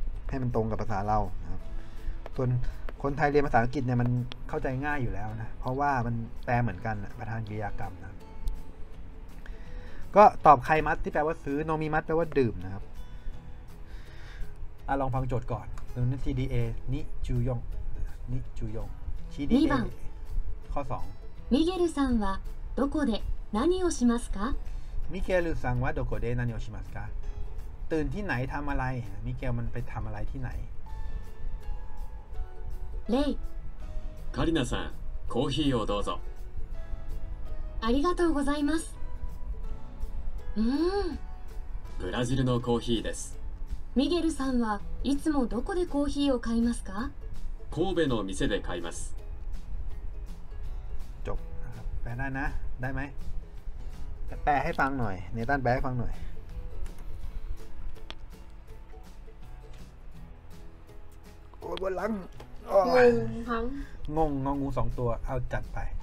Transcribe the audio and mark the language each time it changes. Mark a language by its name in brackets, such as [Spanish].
[Thai] ให้มันตรงกับภาษาเรานะครับส่วนคนไทยเรียนภาษาอังกฤษเนี่ยมันเข้าใจง่ายอยู่แล้วนะเพราะว่ามันแปลเหมือนกันประธานกริยากรรมนะก็ตอบไคมัสที่แปลว่าซื้อโนมิมัสแปลว่าดื่มนะครับลองฟังโจทย์ก่อนหนึ่งนี่ CDA นิจูยงนิจูยงชีดีเอข้อ2 [Japanese] มิเกลさんはどこで何をしますか มิเกลさんはどこで何をしますか [Thai] ตื่นที่ไหนทำอะไรมิเกลมันไปทำอะไรที่ไหน เลย [Japanese] คาริน่าซังโคฟี่โอดูโซ ありがとうございますブラジルのコーヒーですミゲルさんはいつもどこでコーヒーを買いますか神戸の店で買います [Thai] จบแปลได้นะได้ไหมแปลให้ฟังหน่อยเนตันแปลให้ฟังหน่อยบนหลัง ง งครับงงงูสองตัวเอาจัดไป